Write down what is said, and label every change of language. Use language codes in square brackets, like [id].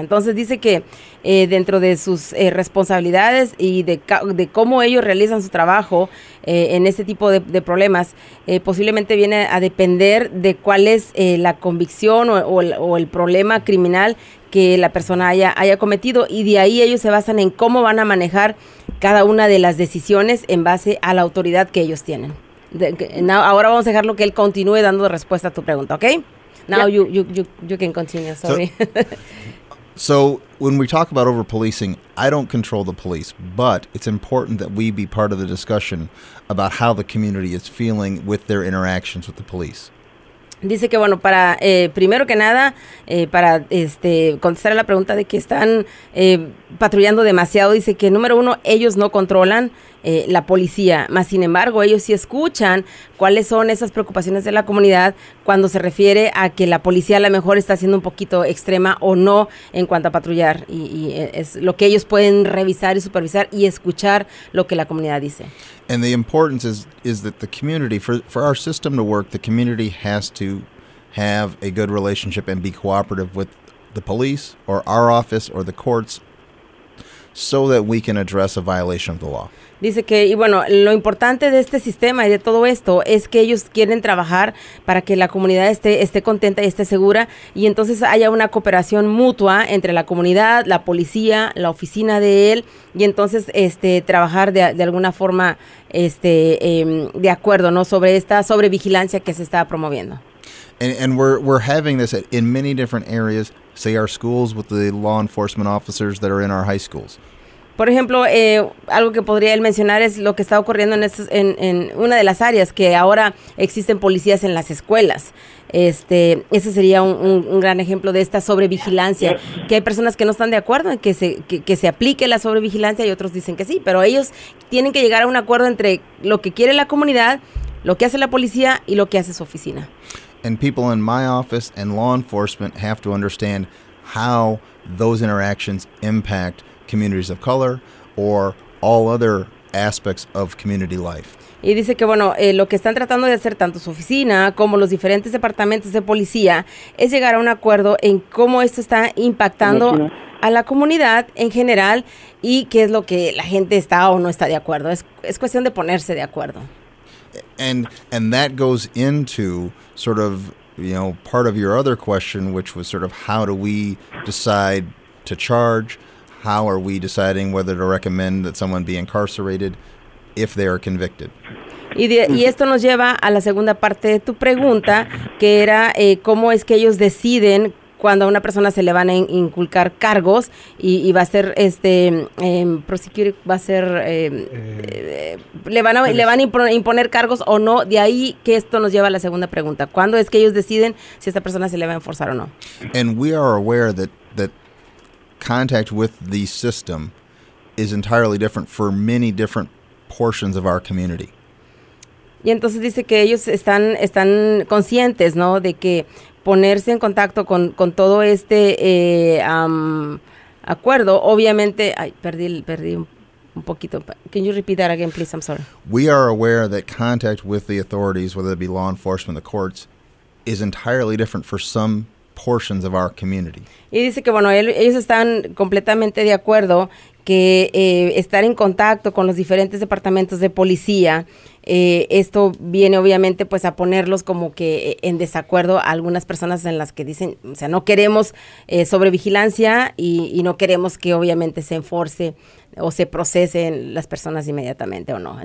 [es] Entonces dice que dentro de sus responsabilidades y de cómo ellos realizan su trabajo en ese tipo de problemas, posiblemente viene a depender de cuál es la convicción o el problema criminal que la persona haya cometido, y de ahí ellos se basan en cómo van a manejar cada una de las decisiones en base a la autoridad que ellos tienen. Ahora vamos a dejarlo que él continúe dando respuesta a tu pregunta, ¿ok? [en] Now you can continue, sorry. So when we talk about over-policing, I don't control the police, but it's important that we be part of the discussion about how the community is feeling with their interactions with the police. [es] Dice que, bueno, para primero que nada, para contestar a la pregunta de que están patrullando demasiado, dice que, número uno, ellos no controlan la policía, mas sin embargo, ellos sí escuchan cuáles son esas preocupaciones de la comunidad cuando se refiere a que la policía a lo mejor está siendo un poquito extrema o no en cuanto a patrullar, y es lo que ellos pueden revisar y supervisar y escuchar lo que la comunidad dice. [en] And the importance is that the community, for our system to work, the community has to have a good relationship and be cooperative with the police or our office or the courts so that we can address a violation of the law. [es] Dice que, y bueno, lo importante de este sistema y de todo esto es que ellos quieren trabajar para que la comunidad esté contenta y esté segura, y entonces haya una cooperación mutua entre la comunidad, la policía, la oficina de él, y entonces trabajar de alguna forma de acuerdo, ¿no?, sobre esta sobrevigilancia que se está promoviendo. [en] And we're having this in many different areas, say our schools with the law enforcement officers that are in our high schools. [es] Por ejemplo, algo que podría él mencionar es lo que está ocurriendo en una de las áreas, que ahora existen policías en las escuelas. Ese sería un gran ejemplo de esta sobrevigilancia, que hay personas que no están de acuerdo en que se aplique la sobrevigilancia y otros dicen que sí, pero ellos tienen que llegar a un acuerdo entre lo que quiere la comunidad, lo que hace la policía y lo que hace su oficina. [en] And people in my office and law enforcement have to understand how those interactions impact communities of color or all other aspects of community life. [es] Y dice que, bueno, lo que están tratando de hacer tanto su oficina como los diferentes departamentos de policía es llegar a un acuerdo en cómo esto está impactando a la comunidad en general y qué es lo que la gente está o no está de acuerdo. Es cuestión de ponerse de acuerdo. [en] And that goes into sort of, you know, part of your other question, which was sort of how do we decide to charge? How are we deciding whether to recommend that someone be incarcerated if they are convicted? [es] Y esto nos lleva a la segunda parte de tu pregunta, que era cómo es que ellos deciden cuando a una persona se le van a inculcar cargos y va a ser le van a imponer cargos o no. De ahí que esto nos lleva a la segunda pregunta. ¿Cuándo es que ellos deciden si esta persona se le va a enforzar o no? [en] And we are aware that contact with the system is entirely different for many different portions of our community. [es] Y entonces dice que ellos están conscientes, ¿no?, de que ponerse en contacto con todo este acuerdo, obviamente, ay, perdí Un poquito. [en] Can you repeat that again, please? I'm sorry. We are aware that contact with the authorities, whether it be law enforcement, the courts, is entirely different for some portions of our community. [es] Y dice que, bueno, ellos están completamente de acuerdo que estar en contacto con los diferentes departamentos de policía, esto viene obviamente pues a ponerlos como que en desacuerdo a algunas personas en las que dicen, o sea, no queremos sobrevigilancia y no queremos que obviamente se enforce o se procesen las personas inmediatamente o no.